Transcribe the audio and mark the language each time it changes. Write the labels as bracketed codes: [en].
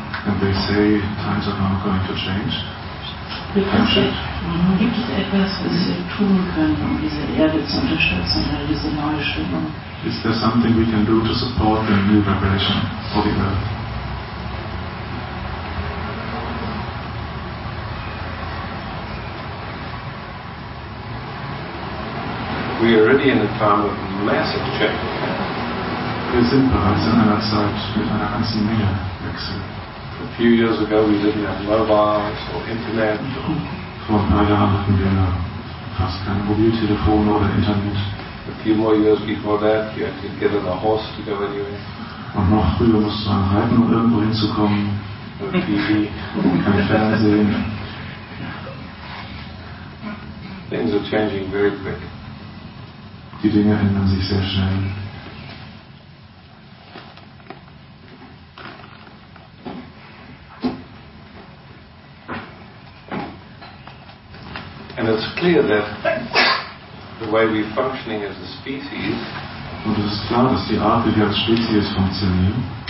[en] And they say times are now going to change. [de] Gibt es etwas, was wir tun können, um diese Erde zu unterstützen, oder diese neue Schwingung? [en] Is there something we can do to support the new vibration for the Earth? We are already in a time of massive change. [de] Wir sind bereits in einer Zeit mit einer ganzen Menge Wechsel. [en] A few years ago we didn't have mobiles or internet. [de] Vor ein paar Jahren hatten wir fast keine Mobiltelefone oder Internet. [en] A few more years before that you had to get on a horse to go anywhere. [de] Und noch früher musst du reiten, um irgendwo hinzukommen. [en] No TV. [de] Kein Fernsehen. [en] Things are changing very quick. [de] Die Dinge ändern sich sehr schnell. [en] And it's clear that the way we're functioning as a species, [de] und es ist klar, dass die Art, wie wir als Spezies funktionieren,